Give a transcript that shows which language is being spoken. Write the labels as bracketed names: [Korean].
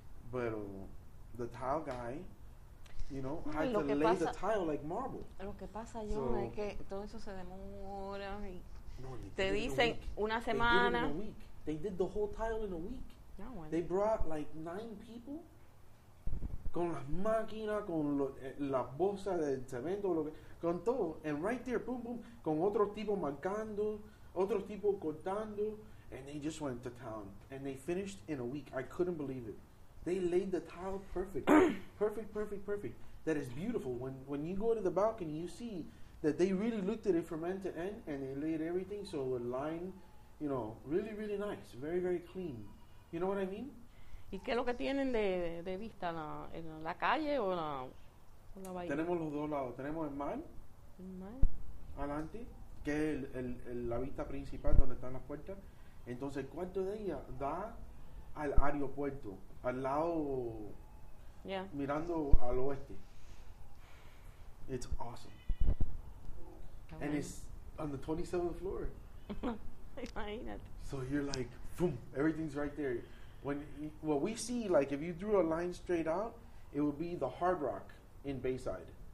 [English] Pero the tile guy, you know, had to lay the tile like marble. [Spanish] Lo que pasa, yo, so, es que todo eso se demora y te dicen una semana. [English] They did the whole tile in a week. [Spanish] No, bueno. [English] They brought like 9 people [Spanish] con las máquinas, con la bolsa de cemento, con todo. [English] And right there, boom, boom, [Spanish] con otro tipo marcando, otro tipo cortando. [English] And they just went to town. And they finished in a week. I couldn't believe it. They laid the tile perfect. Perfect, perfect, perfect. That is beautiful. When you go to the balcony, you see that they really looked at it from end to end and they laid everything so a line... You know, really, really nice. Very, very clean. You know what I mean? [Spanish] ¿Y qué es lo que tienen de vista? ¿En la calle o la bahía? Tenemos los dos lados. Tenemos el mar. El mar. Adelante. Que es la vista principal donde están las puertas. Entonces, el cuarto de ella da al aeropuerto. Al lado... [English] Yeah. [Spanish] Mirando al oeste. [English] It's awesome. Come and on. It's on the 27th floor. [Spanish] Imagínate. [English] So you're like, boom, everything's right there. When what we see, like, if you drew a line straight out, it would be the Hard Rock in Bayside.